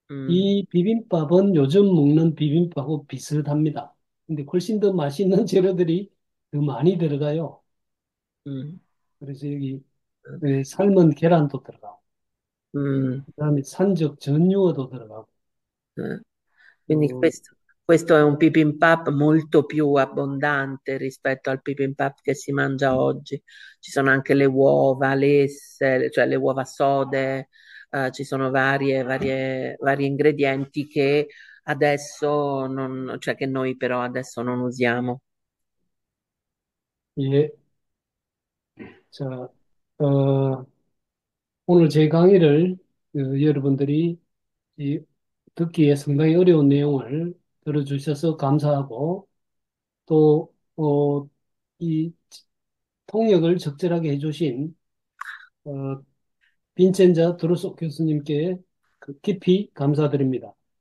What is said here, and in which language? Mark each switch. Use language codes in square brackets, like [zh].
[ko] 이 비빔밥은 요즘 먹는 비빔밥하고 비슷합니다. 근데 훨씬 더 맛있는 재료들이 더 많이 들어가요. 그래서 여기 삶은 계란도 들어가고, 그다음에 산적 전유어도 들어가고, [it] Quindi questo è un bibimbap molto più abbondante rispetto al bibimbap che si mangia oggi. Ci sono anche le uova lesse, cioè le uova sode, ci sono vari ingredienti che adesso non, cioè che noi però adesso non usiamo. [ko] 예. 자, 오늘 제 강의를 여러분들이 듣기에 상당히 어려운 내용을 들어주셔서 감사하고, 또, 이 통역을 적절하게 해주신, 빈첸자 드루소 교수님께 깊이 감사드립니다.